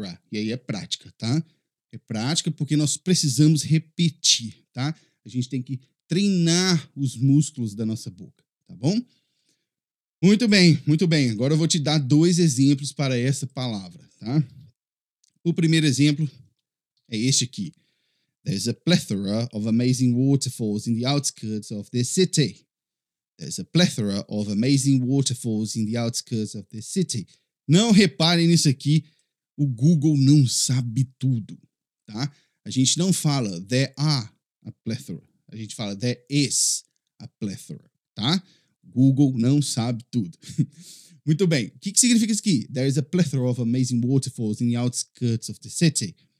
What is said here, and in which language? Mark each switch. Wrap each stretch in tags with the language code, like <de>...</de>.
<pt>E aí é prática, tá? É prática porque nós precisamos repetir, tá? A gente tem que treinar os músculos da nossa boca, tá bom? Muito bem. Agora eu vou te dar dois exemplos para essa palavra, tá? O primeiro exemplo é este aqui.</pt> <en>There's a plethora of amazing waterfalls in the outskirts of the city. There's a plethora of amazing waterfalls in the outskirts of the city.</en> <pt>Não reparem nisso aqui, o Google não sabe tudo, tá? A gente não fala</pt> <en>there are a plethora,</en> <pt>a gente fala</pt> <en>there is a plethora,</en> <pt>tá? Google não sabe tudo. Muito bem, o que que significa isso aqui?</pt> <en>There is a plethora of amazing waterfalls in the outskirts of the city.</en>